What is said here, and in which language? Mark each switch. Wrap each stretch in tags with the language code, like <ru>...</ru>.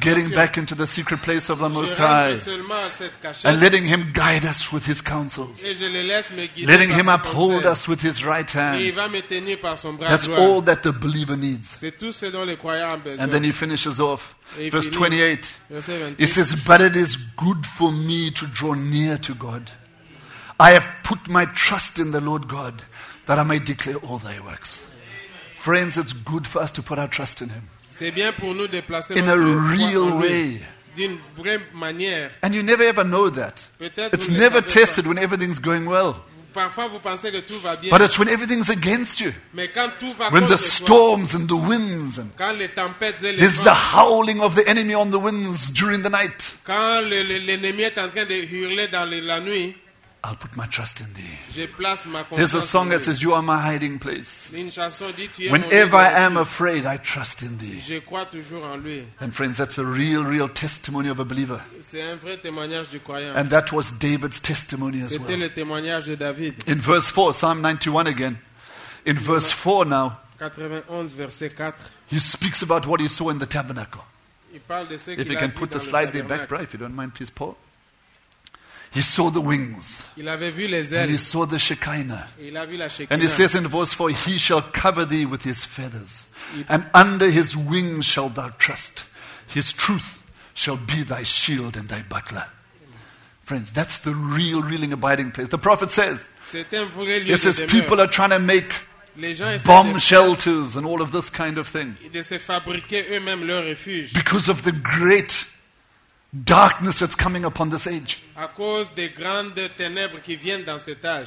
<en>Getting back into the secret place of the</en> <fr>je</fr> <en>Most High and letting him guide us with his counsels.</en> <fr>Et je le laisse me guider</fr> <en>letting him</en> <fr>ses</fr> <en>uphold</en> <fr>conseils.</fr> <en>Us with his right hand.</en> <fr>Et il va me tenir par son bras</fr> <en>that's</en> <fr>droit.</fr> <en>All that the believer needs.</en> <fr>C'est tout ce dont les croyants ont besoin.</fr> <en>And then he finishes off. Verse 28, he says, but it is good for me to draw near to God. I have put my trust in the Lord God that I may declare all thy works. Friends, it's good for us to put our trust in him.</en> <fr>C'est bien pour nous de placer</fr> <en>in a real way.</en> <fr>D'une vraie manière.</fr> <en>And you never ever know that.</en> <fr>Peut-être</fr> <en>it's never tested</en> <fr>pas.</fr> <en>When everything's going well.</en> <fr>Parfois vous pensez que tout va bien.</fr> <en>But it's when everything's against you.</en> <fr>Mais quand tout va</fr> <en>when the storms and the winds and</en> <fr>quand les tempêtes et les</fr> <en>there's the howling of the enemy on the winds during the night.</en> <fr>Quand l'ennemi est en train de hurler dans la nuit.</fr> <en>I'll put my trust in thee.</en> <fr>Je place ma confiance</fr> <en>there's a song that says, you are my hiding place.</en> <fr>Une chanson dit, tu es</fr> <en>whenever</en> <fr>mon</fr> <en>I am afraid, I trust in thee.</en> <fr>Je crois toujours en lui.</fr> <en>And friends, that's a real, real testimony of a believer.</en> <fr>C'est un vrai témoignage du croyant.</fr> <en>And that was David's testimony as</en> <fr>c'était</fr> <en>well.</en> <fr>Le témoignage de David.</fr> <en>In verse 4, Psalm 91 again. In verse 4 now,</en> <fr>91, verset 4,</fr> <en>he speaks about what he saw in the tabernacle.</en> <fr>Il parle de ce</fr> <en>if you can put the slide there back, Brian, if you don't mind, please, Paul. He saw the wings.</en> <fr>Il avait vu les ailes.</fr> <en>And he saw the Shekinah.</en> <fr>Il a vu la Shekinah.</fr> <en>And he says in verse 4, he shall cover thee with his feathers. And under his wings shalt thou trust. His truth shall be thy shield and thy buckler. Friends, that's the real, real abiding place. The prophet says,</en> <fr>c'est un vrai lieu</fr> <en>he says,</en> <fr>de</fr> <en>people</en> <fr>demeure.</fr> <en>Are trying to make</en> <fr>les gens</fr> <en>bomb shelters and all of this kind of thing.</en> <fr>De se fabriquer eux-mêmes leur refuge.</fr> <en>Because of the great darkness that's coming upon this age.</en> <fr>À cause des grandes ténèbres qui viennent dans cet âge.</fr>